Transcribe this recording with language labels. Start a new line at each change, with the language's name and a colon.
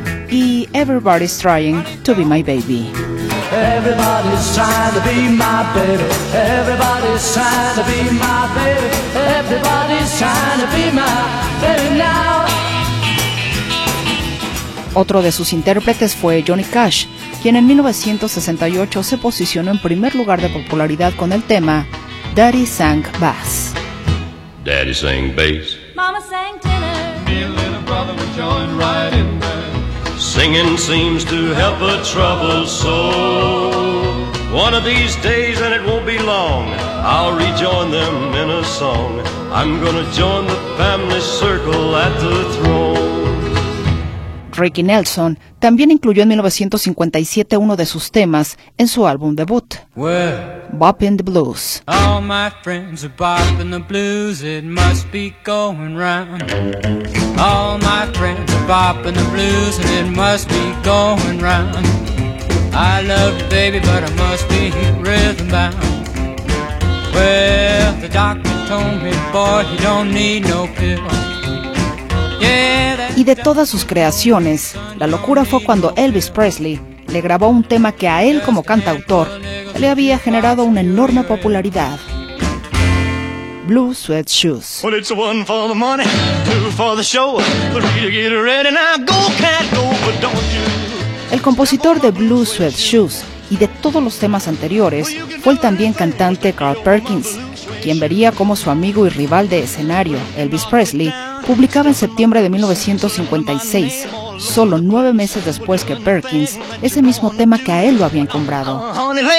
English: Y Everybody's Trying to Be My Baby. Everybody's trying to be my baby. Everybody's trying to be my baby. Everybody's trying to be my baby now.
Spanish: Otro de sus intérpretes fue Johnny Cash, quien en 1968 se posicionó en primer lugar de popularidad con el tema Daddy Sang Bass.
English: Daddy sang bass. Mama sang tenor. Me and little brother would join right in there. Singing seems to help a troubled soul. One of these days, and it won't be long, I'll rejoin them in a song. I'm gonna join the family circle at the throne.
Spanish: Ricky Nelson también incluyó en 1957 uno de sus temas en su álbum debut, well, Boppin' the Blues.
English: All my friends are boppin' the blues, it must be going round. All my friends are boppin' the blues, and it must be going round. I love the baby, but I must be rhythm bound. Well, the doctor told me, boy, you don't need no pill.
Spanish: Y de todas sus creaciones, la locura fue cuando Elvis Presley le grabó un tema que a él como cantautor le había generado una enorme popularidad.
English: Blue Suede Shoes. Well, it's one for the money, two for the show. Three to get ready, now go, can't go, but don't you.
Spanish: El compositor de Blue Suede Shoes y de todos los temas anteriores fue el también cantante Carl Perkins, quien vería cómo su amigo y rival de escenario, Elvis Presley, publicaba en septiembre de 1956, solo 9 meses después que Perkins, ese mismo tema que a él lo había encumbrado.